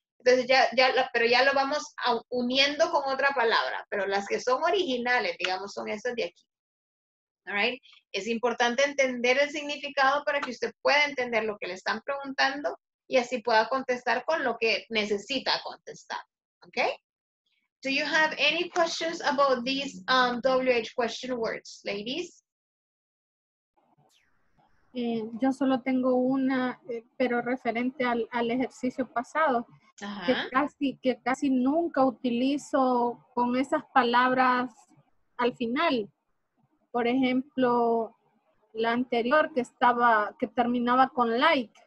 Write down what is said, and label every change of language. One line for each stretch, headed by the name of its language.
Spanish: Entonces ya pero ya lo vamos uniendo con otra palabra, pero las que son originales, digamos, son estas de aquí.
English: All right?
Spanish: Es importante entender el significado para que usted pueda entender lo que le están preguntando y así pueda contestar con lo que necesita contestar.
English: Okay? Do you have any questions about these WH question words, ladies?
Spanish: Yo solo tengo una, pero referente al ejercicio pasado, que casi nunca utilizo con esas palabras al final. Por ejemplo, la anterior que terminaba con like.